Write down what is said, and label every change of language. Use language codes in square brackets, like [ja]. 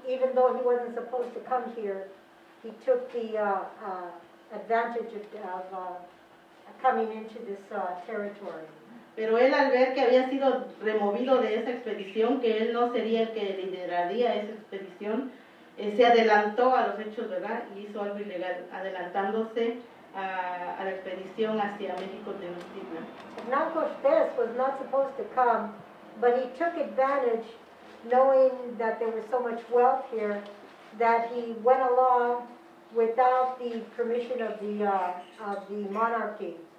[en] even though he wasn't supposed to come here, he took the advantage of coming into this territory. [es] Pero él, al ver que había sido removido de esa expedición, que él no sería el que lideraría esa expedición, se adelantó a los hechos, ¿verdad? Y hizo algo ilegal, adelantándose a la expedición hacia México Tenochtitlan. [en] Hernán Cortés was not supposed to come, but he took advantage, knowing that there was so much wealth here, that he went along without the permission of the monarchy.